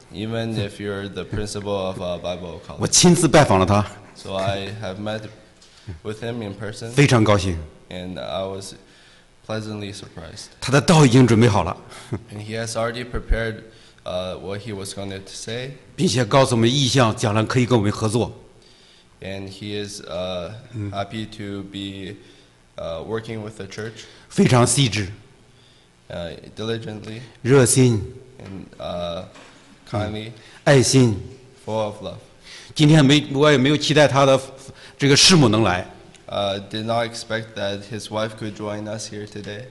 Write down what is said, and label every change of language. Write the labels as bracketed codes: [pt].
[en] Even if you're the principal of a Bible college. [zh] 我亲自拜访了他。 [en] So I have met with him in person. [zh] 非常高兴。 [en] And I was pleasantly surprised. [zh] 他的道已经准备好了。 [en] And he has already prepared what he was going to say. [zh] 并且告诉我们意向，将来可以跟我们合作。 [en] And he is happy to be working with the church. [zh] 非常细致。 [en] Diligently. [zh] 热心。 [en] And kindly. [zh] 爱心。 [en] Full of love. [zh] 今天我也没有期待他的这个师母能来。 [en] Did not expect that his wife could join us here today.